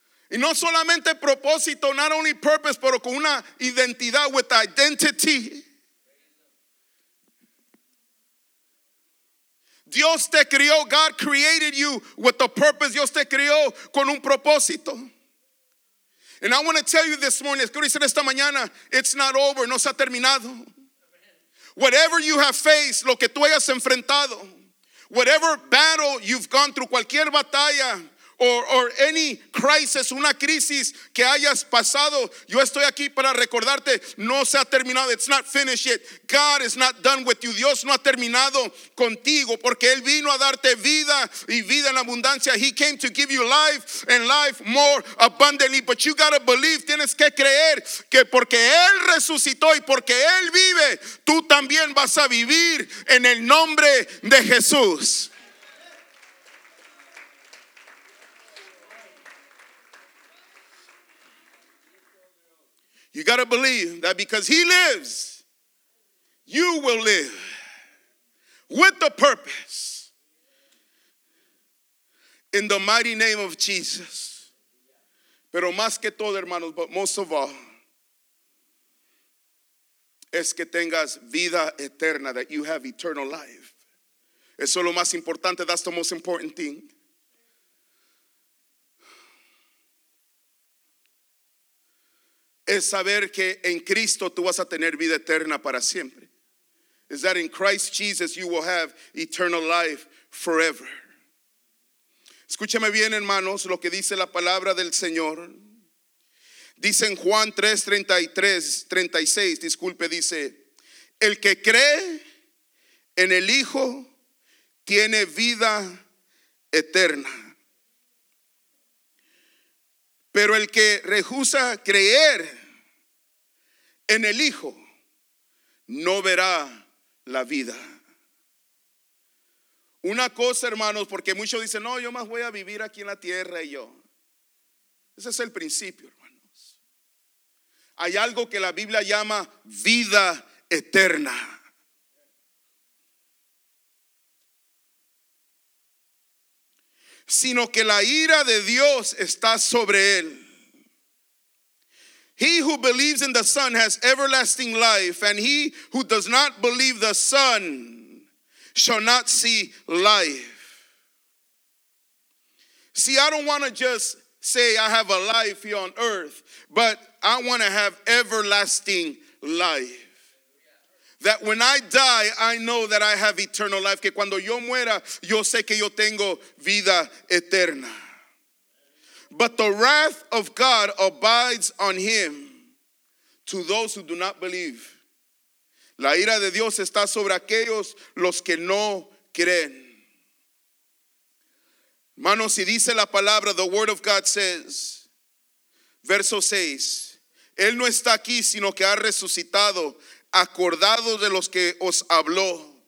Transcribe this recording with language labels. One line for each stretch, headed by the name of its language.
Spanish: Y no solamente propósito,
English: not only purpose,
Spanish: pero con una identidad,
English: with identity.
Spanish: Dios te crió,
English: God created you with a purpose.
Spanish: Dios te crió con un propósito.
English: And I want to tell you this morning,
Spanish: quiero decir esta mañana,
English: it's not over,
Spanish: no se ha terminado.
English: Whatever you have faced,
Spanish: lo que tú hayas enfrentado,
English: whatever battle you've gone through,
Spanish: cualquier batalla,
English: or any crisis,
Spanish: una crisis que hayas pasado, yo estoy aquí para recordarte, no se ha terminado,
English: it's not finished yet. God is not done with you.
Spanish: Dios no ha terminado contigo, porque Él vino a darte vida y vida en abundancia.
English: He came to give you life and life more abundantly. But you gotta believe,
Spanish: tienes que creer que porque Él resucitó y porque Él vive, tú también vas a vivir en el nombre de Jesús.
English: You got to believe that because He lives, you will live with a purpose in the mighty name of Jesus.
Spanish: Pero más que todo, hermanos,
English: but most of all,
Spanish: es que tengas vida eterna,
English: that you have eternal life.
Spanish: Eso es lo más importante,
English: that's the most important thing.
Spanish: Es saber que en Cristo tú vas a tener vida eterna para siempre.
English: Is that in Christ Jesus you will have eternal life forever.
Spanish: Escúchame bien, hermanos, lo que dice la palabra del Señor. Dice en Juan 3:36, disculpe, dice, el que cree en el Hijo tiene vida eterna. Pero el que rehúsa creer en el Hijo no verá la vida. Una cosa, hermanos, porque muchos dicen, no, yo más voy a vivir aquí en la tierra y yo. Ese es el principio, hermanos. Hay algo que la Biblia llama vida eterna. Sino que la ira de Dios está sobre él.
English: He who believes in the Son has everlasting life, and he who does not believe the Son shall not see life. See, I don't want to just say I have a life here on earth, but I want to have everlasting life. That when I die, I know that I have eternal life.
Spanish: Que cuando yo muera, yo sé que yo tengo vida eterna.
English: But the wrath of God abides on him to those who do not believe.
Spanish: La ira de Dios está sobre aquellos los que no creen. Manos, y dice la palabra,
English: the word of God says,
Spanish: verso 6, Él no está aquí, sino que ha resucitado, acordado de los que os habló.